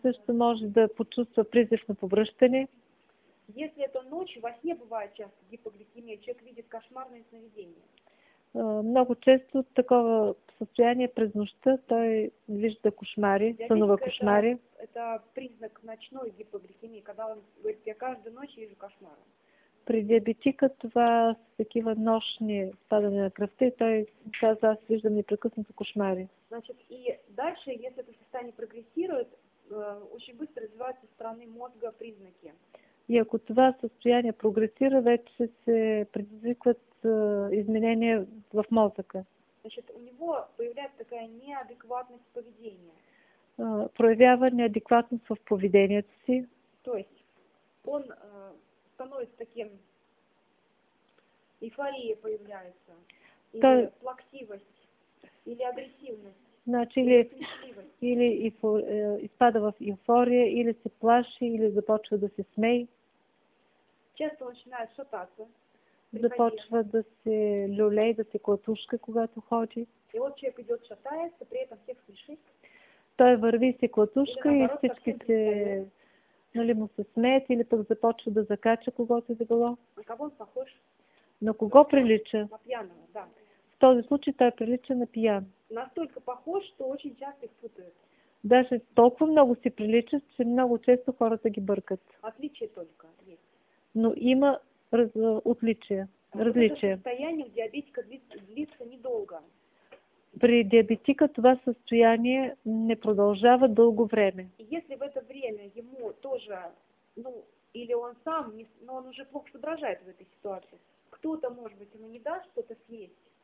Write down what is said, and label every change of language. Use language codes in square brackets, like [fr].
[bg] Също може да почувства призив на побръщане. [ru] Если это ночью, во сне бывает часто гипогликемия, человек видит кошмарные сновидения. [bg] Много често [ru] такого состояния [bg] през нощта той вижда кошмари, сънува кошмари. [ru] Это признак ночной гипогликемии, когда он говорит, я каждую ночь вижу кошмары. [bg] При диабетика това са такива нощни падания на кръвта и той казва, аз виждам непрекъснато кошмари. [ru] Значит, и дальше, если это состояние прогрессирует, очень быстро развиваются со стороны мозга признаки. [bg] И ако това състояние прогресира, вече се предизвикват изменения в мозъка. [ru] Значит, у него появляется такая неадекватность поведения. [bg] Проявява неадекватност в поведението си. [ru] То есть, он становится таким, эйфория появляется, или то... плаксивость, или агрессивность. [bg] Значи или изпада в эйфория, или се плаши, или започва да се смей. [ru] Често начинает шататься. [bg] Започва да се люлей, да се клатушка, когато ходи. [ru] И вот человек идет шатается, при этом всех слышит. [bg] Той върви се клатушка и всички се, нали, му се смеят или пък започва да закача когото за голо. [ru] На кого он похож? [bg] На кого прилича? [ru] На пьяного, да. [bg] В този случай той прилича на пиян. [ru] Настолько похож, что очень часто их путают. [bg] Даже толкова много си приличат, че много често хората ги бъркат. [ru] Отличие только есть. [bg] Но има отличия, различия. [ru] Это состояние в диабетика длится недолго. [bg] При диабетика това състояние не продължава дълго време. [ru] И если в это время ему тоже, ну, или он сам, но он уже плохо соображает в этой ситуации, кто-то, может быть, ему не даст что-то съесть.